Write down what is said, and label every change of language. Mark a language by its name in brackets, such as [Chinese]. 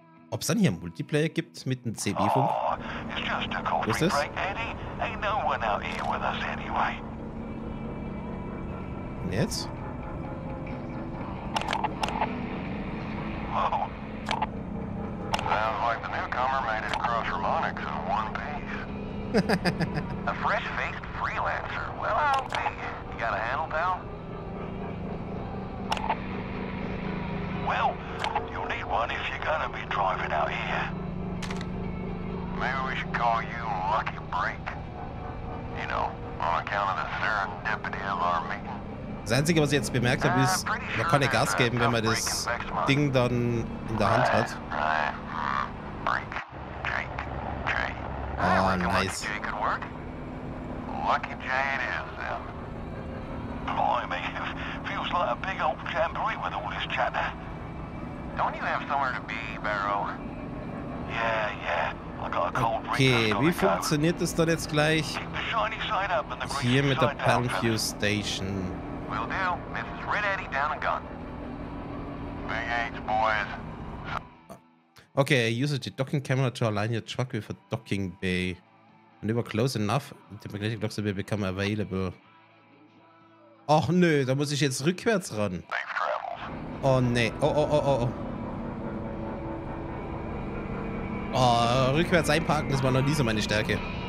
[German] Ob es dann hier Multiplayer gibt mit dem CB-Funk? [English] Oh, it's just a coffee break, Eddie. Ain't no one out here with us anyway. [German] Und jetzt? [English] Whoa. Sounds like the newcomer made it across from Onyx in one piece. A fresh-faced freelancer. Well, I'll be. You got a handle, pal? Well... need one if you're gonna be driving out here. Maybe we should call you Lucky Break. You know, on account of the serendipity of our meeting. [German] Das Einzige, was ich jetzt bemerkt habe, ist, man kann ja Gas geben, wenn man das Ding dann in der Hand hat. [English] Break. Jake. Jay. Oh, nice. Lucky Jay could work. Lucky Jay it is, then. Blimey, feels like a big old jamboree with all this chatter. Don't you have somewhere to be, Barrow? Yeah, yeah. I got a cold [German] drink. Okay, wie funktioniert das dann jetzt gleich? Hier mit der Palmview Station. [English] Will do. Mrs. Red Eddie down and gone. Big H, boys. Okay, use the docking camera to align your truck with a docking bay. When you were close enough, the magnetic locks will become available. [German] Ach nö, da muss ich jetzt rückwärts ran. Oh ne, oh oh oh oh oh. Oh, rückwärts einparken, das war noch nie so meine Stärke.